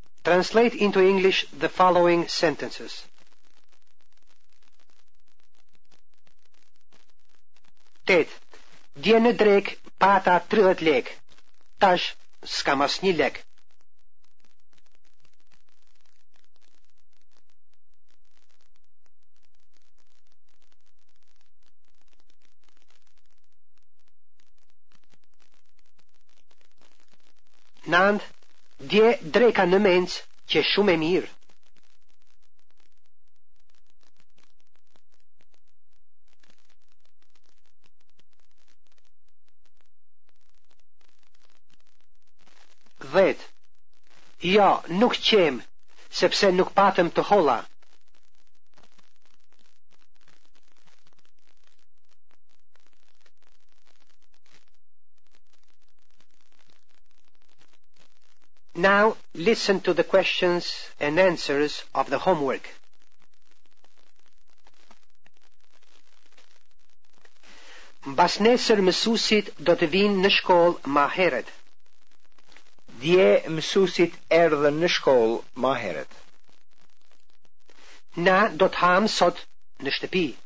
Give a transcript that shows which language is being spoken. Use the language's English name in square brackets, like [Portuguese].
[English] Translate into English the following sentences. [Albanian] Tet, dje në drek pata 30 lek, tash s'kam as një lek. Nand, dje dreka në mencë që shumë e mirë. Dhet, jo, nuk qem, sepse nuk patëm të holla. [English] Now listen to the questions and answers of the homework. [Albanian] Mbas nesër mësusit do të vinë në shkollë më herët. Dje mësusit erdhën në shkollë më herët. Na do të hamë sot në shtëpi.